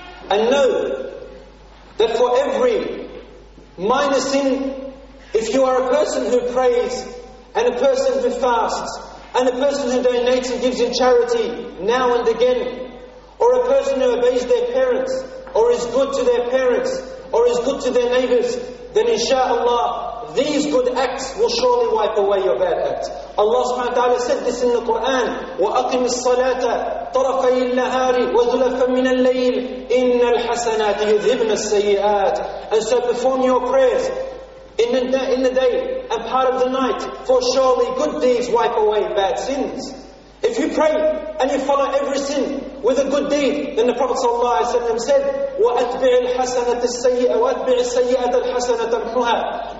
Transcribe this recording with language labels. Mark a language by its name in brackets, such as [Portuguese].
[English] And know that for every minor sin, if you are a person who prays, and a person who fasts, and a person who donates and gives in charity now and again, or a person who obeys their parents, or is good to their parents, or is good to their neighbors, then inshaAllah, these good acts will surely wipe away your bad acts. Allah subhanahu wa ta'ala said this in the Quran, [Arabic] وَأَقِمِ الصَّلَاةَ طَرَفَيِ النَّهَارِ وَزُلَفًا مِنَ اللَّيْلِ إِنَّ الْحَسَنَاتِ يُذْهِبْنَ السَّيِّئَاتِ. [English] And so perform your prayers in the day and part of the night, for surely good deeds wipe away bad sins. If you pray and you follow every sin with a good deed, then the Prophet said, [Arabic] وَأَتْبِعِ الْحَسَنَةَ السَّيِّئَةَ وَأَتْبِعِ السَّيِّئَةَ الْحَسَنَةَ تَمْحُهَا.